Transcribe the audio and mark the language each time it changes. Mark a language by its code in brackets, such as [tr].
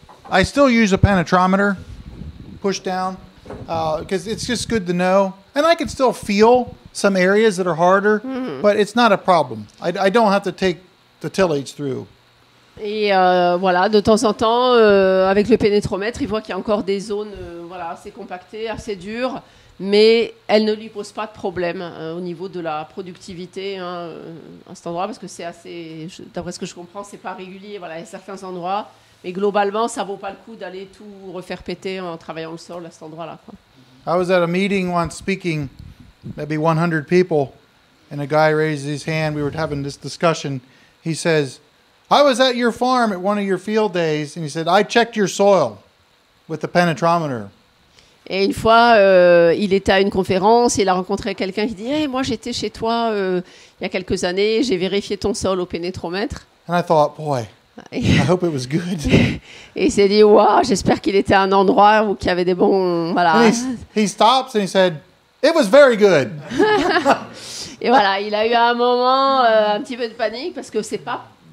[en] I still use a penetrometer, push down, because it's just good to know. And I can still feel some areas that are harder, but it's not a problem. I don't have to take the tillage through. [fr] Et voilà, de temps en temps, avec le pénétromètre, il voit qu'il y a encore des zones assez compactées, assez dures, mais elles ne lui posent pas de problème au niveau de la productivité à cet endroit, parce que c'est assez, d'après ce que je comprends, c'est pas régulier, voilà, il y a certains endroits, mais globalement, ça vaut pas le coup d'aller tout refaire péter en travaillant le sol à cet endroit-là, quoi. [en] I was at a meeting once speaking, maybe 100 people, and a guy raised his hand, we were having this discussion, he says... I was at your farm at one of your field days, and he said, I checked your soil with the penetrometer. [fr] Et une fois, il était à une conférence, il a rencontré quelqu'un qui dit, hey, moi j'étais chez toi il y a quelques années, j'ai vérifié ton sol au pénétromètre. [en] And I thought, boy, I hope it was good. [fr] Et il s'est dit, wow, j'espère qu'il était à un endroit où qu'il y avait des bons, voilà. [en] And he stops and he said, it was very good. [fr] Et voilà, il a eu un moment, un petit peu de panique, parce que c'est pas...